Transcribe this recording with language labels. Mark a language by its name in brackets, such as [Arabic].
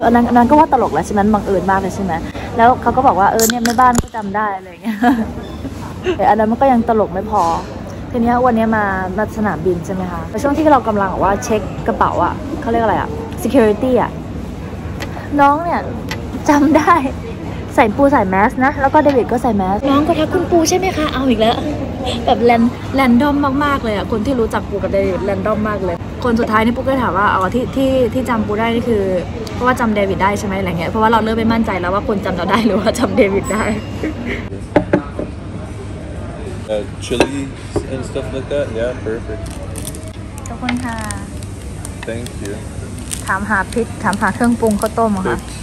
[Thai] นั้นก็ว่าตลกแล้วใช่ไหมบังเอิญมากเลยใช่ไหมแล้วเขาก็บอกว่าเนี่ยแม่บ้านก็จำได้อะไรเงี้ยอันนั้นมันก็ยังตลกไม่พอทีนี้วันนี้มาสนามบินใช่ไหมคะในช่วงที่เรากำลังว่าเช็คกระเป๋าอ่ะเขาเรียกอะไรอ่ะ security อ่ะน้องเนี่ยจำได้ใส่ปูใส่แมสนะแล้วก็เดวิดก็ใส่แมส น้องก็ทักคุณปูใช่ไหมคะเอาอีกแล้วแบบแรนดอมมากๆเลยอ่ะคนที่รู้จักปูกับเดวิดแรนดอมมากเลยคนสุดท้ายนี่ปูก็ถามว่าเอาที่จำปูได้นี่คือเพราะว่าจำเดวิดได้ใช่ไหมอะไรเงี้ยเพราะว่าเราเริ่มไม่มั่นใจแล้วว่าคนจำเราได้หรือว่าจำเดวิดได้ [English] chili and stuff like that yeah perfect [Thai] ขอบคุณค่ะ [English] thank you [Thai] ถามหาพริกถามหาเครื่องปรุงข้าวต้มค่ะ